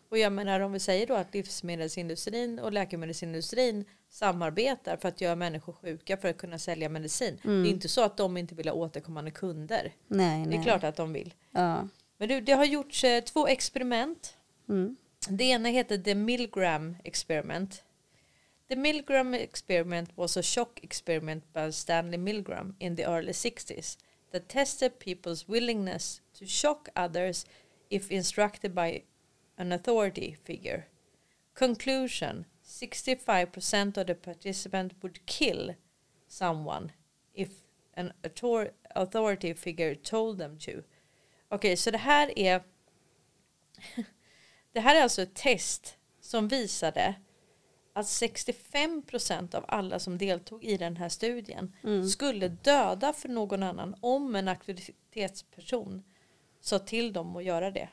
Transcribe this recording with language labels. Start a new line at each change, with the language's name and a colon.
Swedish: Och jag menar, om vi säger då att livsmedelsindustrin och läkemedelsindustrin samarbetar för att göra människor sjuka för att kunna sälja medicin. Mm. Det är inte så att de inte vill ha återkommande kunder. Nej. Det är klart att de vill. Ja. Men du, det har gjorts två experiment. Mm. Det ena heter The Milgram Experiment.
English: The Milgram Experiment was a shock experiment by Stanley Milgram in the early 60s that tested people's willingness to shock others if instructed by an authority figure. Conclusion, 65% of the participants would kill someone if an authority figure told them to.
Swedish: Okej, så det här är... Det här är alltså ett test som visade att 65% av alla som deltog i den här studien skulle döda för någon annan om en auktoritetsperson sa till dem att göra det.